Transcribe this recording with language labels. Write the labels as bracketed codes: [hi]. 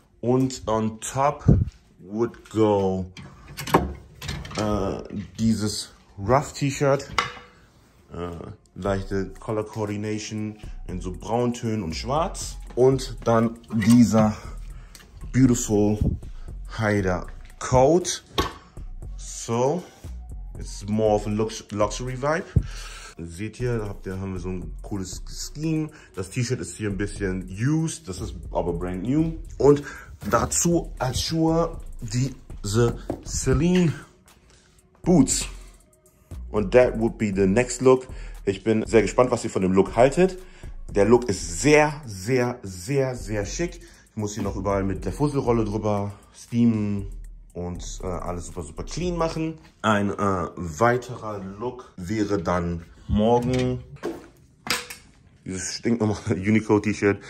[de] Und [en] on top would go [de] dieses Rough T-Shirt, leichte Color Coordination in so Brauntönen und Schwarz. Und dann dieser beautiful Haider Coat. So. [en] It's more of a luxury vibe. [de] Seht ihr, haben wir so ein cooles Scheme. Das T-Shirt ist hier ein bisschen used. Das ist aber brand new. Und dazu als Schuhe diese Celine Boots. Und [en] that would be the next look. [de] Ich bin sehr gespannt, was ihr von dem Look haltet. Der Look ist sehr, sehr, sehr, sehr schick. Ich muss hier noch überall mit der Fusselrolle drüber steamen. Und alles super, super clean machen. Ein weiterer Look wäre dann morgen dieses stinknormale Unicode-T-Shirt.